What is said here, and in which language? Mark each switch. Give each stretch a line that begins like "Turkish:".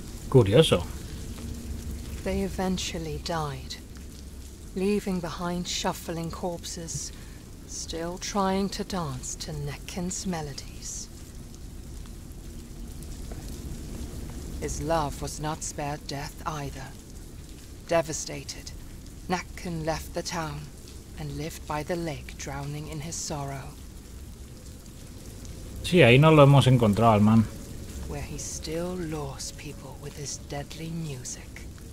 Spanish: Curioso.
English: They eventually died, leaving behind shuffling corpses, still trying to dance to Nekin's melodies. His love was not spared death either. Devastated, Nekin left the town. And lived by the lake, drowning in his sorrow.
Spanish: Sí, ahí no lo hemos encontrado, al man.
English: Where he still lures people with his deadly music.